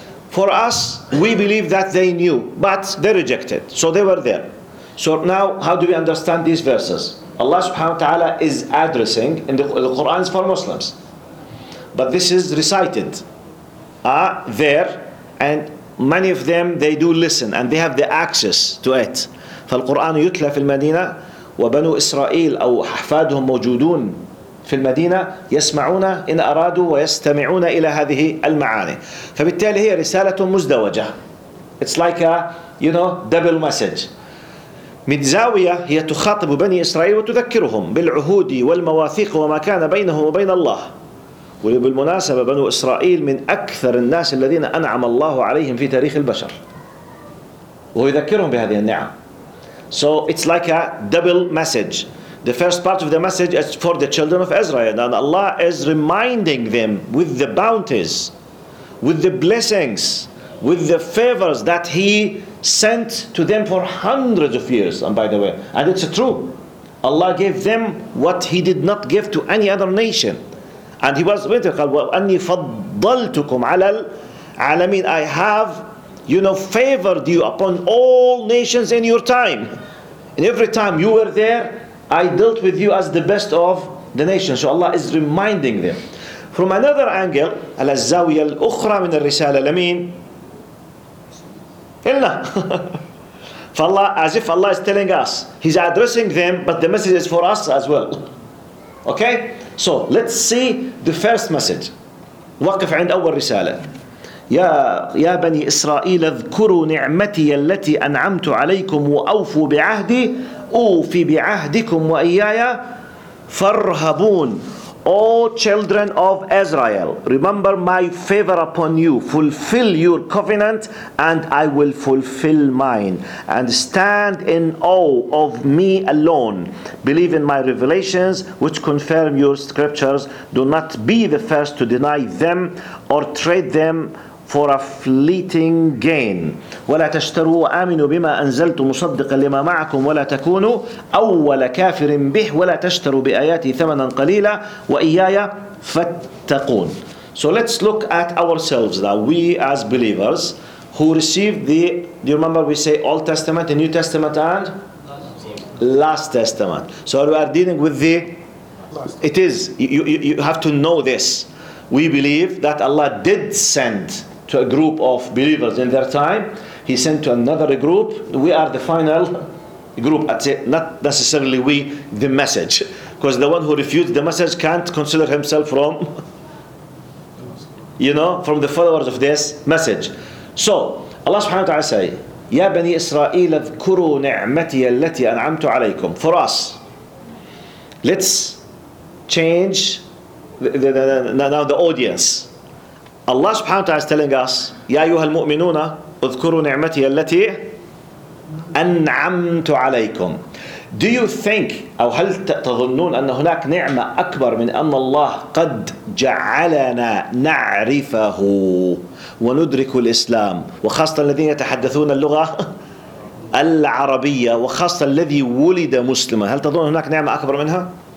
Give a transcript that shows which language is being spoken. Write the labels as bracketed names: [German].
[English] For us, we believe that they knew, but they rejected. So they were there. So now, how do we understand these verses? Allah subhanahu wa ta'ala is addressing, in the Quran is for Muslims. But this is recited there, and many of them, they do listen, and they have the access to it. [Arabic] فالقرآن يتلى في المدينة وبنو إسرائيل أو أحفادهم موجودون في المدينة يسمعون إن أرادوا ويستمعون إلى هذه المعاني. فبالتالي هي رسالة مزدوجة. [English] It's like a, you know, double message. [Arabic] من زاوية هي تخاطب بني إسرائيل وتذكرهم بالعهود والمواثيق وما كان بينهم وبين الله. وبالمناسبة بنو إسرائيل من أكثر الناس الذين أنعم الله عليهم في تاريخ البشر. ويذكرهم بهذه النعم. [English] So it's like a double message. The first part of the message is for the children of Israel, and Allah is reminding them with the bounties, with the blessings, with the favors that He sent to them for hundreds of years. And by the way, and it's true, Allah gave them what He did not give to any other nation. And He was mythical. [Arabic] وَأَنِّي فَضَّلْتُكُمْ عَلَى الْعَالَمِينَ. [English] I have, you know, favored you upon all nations in your time. And every time you were there, I dealt with you as the best of the nations. So Allah is reminding them. From another angle, [Arabic] على الزاوية الأخرى من الرسالة لمين؟ إلا. [English] فالله, as if Allah is telling us, He's addressing them, but the message is for us as well. Okay? So let's see the first message. [Arabic] وقف عند أول رسالة. يا بني إسرائيل اذكروا نعمتي التي أنعمت عليكم وأوفوا بعهدي أوفي بعهدكم وإيايا فارهبون. [English] All children of Israel, remember my favor upon you, fulfill your covenant and I will fulfill mine, and stand in awe of me alone, believe in my revelations which confirm your scriptures, do not be the first to deny them or trade them for a fleeting gain. [Arabic] ولا تشتروا وآمنوا بما أنزلت مصدقا لما معكم ولا تكونوا أول كافر به ولا تشتروا بآياتي ثمنا قليلا وإيايا فاتقون. [English] So let's look at ourselves now. We as believers who received the, do you remember we say Old Testament, the New Testament and Last Testament. So we are dealing with the Last. It is, you have to know this. We believe that Allah did send to a group of believers in their time. He sent to another group. We are the final group. Not necessarily we, the message. Because the one who refused the message can't consider himself from, you know, from the followers of this message. So, Allah subhanahu wa ta'ala say, [Arabic] يَا بَنِي إِسْرَائِيلَ اذْكُرُوا نِعْمَتِيَ الَّتِي أَنْعَمْتُ عَلَيْكُمْ. [English] For us, let's change now the audience. Allah subhanahu wa ta'ala is telling us, [Arabic] يَا أَيُّهَا الْمُؤْمِنُونَ اذْكُرُوا نِعْمَتِيَ الَّتِي أَنْعَمْتُ عَلَيْكُمْ. [English] Do you think [Arabic] أو هل تظنون أن هناك نعمة أكبر من أن الله قد جعلنا نعرفه وندرك الإسلام وخاصة الذين يتحدثون اللغة العربية وخاصة الذي ولد مسلما هل تظن هناك نعمة أكبر منها؟